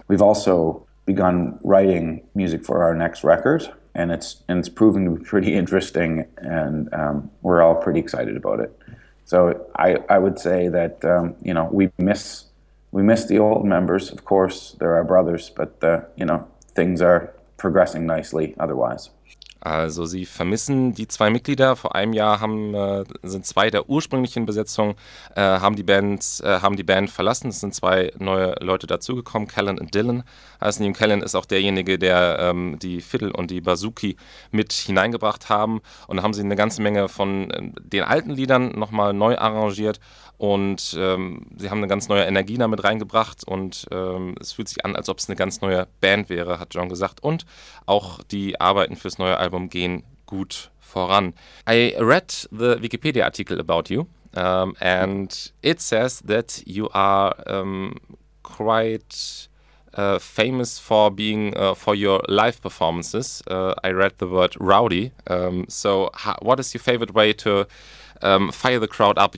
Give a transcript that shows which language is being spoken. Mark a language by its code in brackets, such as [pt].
[en] We've also begun writing music for our next record, and it's proving to be pretty interesting, and we're all pretty excited about it. So I would say that we miss the old members. Of course, they're our brothers, but things are progressing nicely otherwise. [de] Also sie vermissen die zwei Mitglieder. Vor einem Jahr sind zwei der ursprünglichen Besetzung haben die Band verlassen. Es sind zwei neue Leute dazugekommen, Callan und Dylan. Also Neil Callan ist auch derjenige, der die Fiddle und die Bouzouki mit hineingebracht haben. Und haben sie eine ganze Menge von den alten Liedern nochmal neu arrangiert. Und sie haben eine ganz neue Energie damit reingebracht. Und es fühlt sich an, als ob es eine ganz neue Band wäre, hat John gesagt. Und auch die Arbeiten fürs neue Album gehen gut voran. [en] I read the Wikipedia article about you. And it says that you are quite famous for being for your live performances. I read the word rowdy. What is your favorite way to fire the crowd up?